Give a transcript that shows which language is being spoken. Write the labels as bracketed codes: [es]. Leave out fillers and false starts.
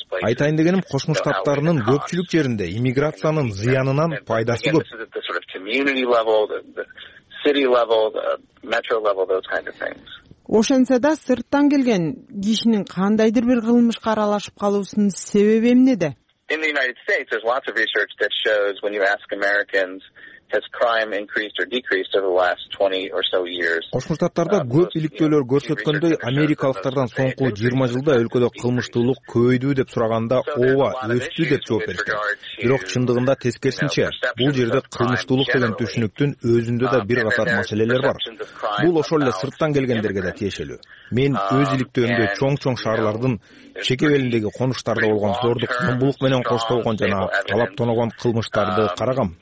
[ky] Айтайын дегеним, Кошмо Штаттарынын көпчүлүк жеринде иммиграциянын зыянынан пайдасы көп. Ошентсе да сырттан келген кишинин кандайдыр бир кылмышка аралашып калуусунун себеби эмнеде? [en] In the United States, there's lots of research that shows when you ask Americans, has crime increased or decreased over the last 20 or so years? [ky] Кошмо Штаттарда көп иликтөөлөр көрсөткөндөй, америкалыктардан соңку 20 жылда өлкөдө кылмыштуулук көбөйдүбү деп сураганда, ооба, өстү деп жооп беришкен. Бирок чындыгында тескерисинче, бул жерде кылмыштуулук деген түшүнүктүн өзүндө да бир катар маселелер бар. Бул ошол эле сырттан келгендерге да тиешелүү. Мен өз иликтөөмдө чоң-чоң шаарлардын чеке белиндеги конуштарда болгон зордук, кумбулук менен коштолгон жана талап тоногон кылмыштарды карагам.